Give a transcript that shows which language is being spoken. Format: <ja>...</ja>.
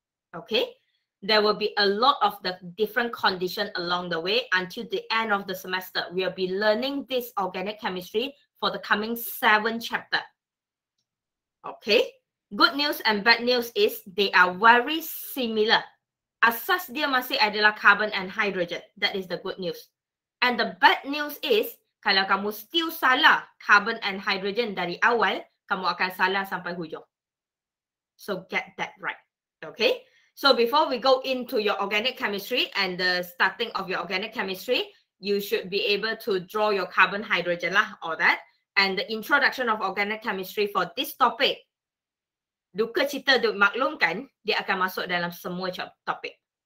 <en>Okay, there will be a lot of the different condition along the way until the end of the semester. We will be learning this organic chemistry for the coming 7 chapter. Okay. Good news and bad news is they are very similar.</en> <ms>Asas dia masih adalah carbon and hydrogen.</ms> <en>That is the good news. And the bad news is,</en> <ms>kalau kamu still salah carbon and hydrogen dari awal, kamu akan salah sampai hujung.</ms> <en>So get that right. Okay? So before we go into your organic chemistry and the starting of your organic chemistry, you should be able to draw your carbon, hydrogen lah, all that. And the introduction of organic chemistry for this topic,</en> <ms>duka cita maklumkan, dia akan masuk dalam semua topik.</ms>